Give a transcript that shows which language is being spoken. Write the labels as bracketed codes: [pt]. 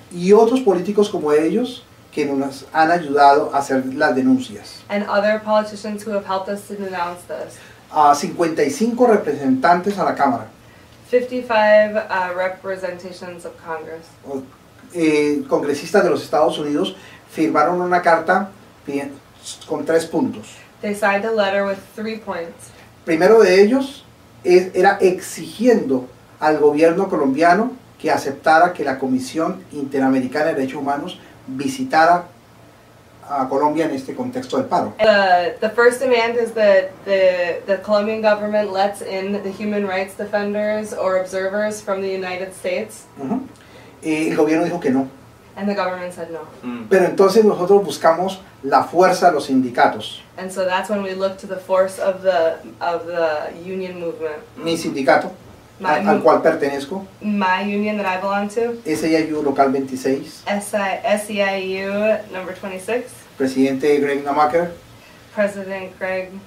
[es] Y otros políticos como ellos que nos han ayudado a hacer las denuncias. [en] And other politicians who have helped us to denounce this. [es] 55 representantes a la Cámara. [en] 55 representations of Congress. [es] Congresistas de los Estados Unidos firmaron una carta con tres puntos. [en] They signed a letter with 3 points. [es] Primero de ellos era exigiendo al gobierno colombiano que aceptara que la Comisión Interamericana de Derechos Humanos visitara a Colombia en este contexto del paro. [en] The first demand is that the Colombian government lets in the human rights defenders or observers from the United States. [es] Uh-huh. El gobierno dijo que no. [en] And the government said no. Mm. [es] Pero entonces nosotros buscamos la fuerza de los sindicatos. [en] And so that's when we look to the force of the union movement. [es] Mi sindicato, al cual pertenezco. [en] My union that I belong to. [es] SIU local 26. [en] SIU number 26. [es] Presidente Greg Namaker. [en] President Greg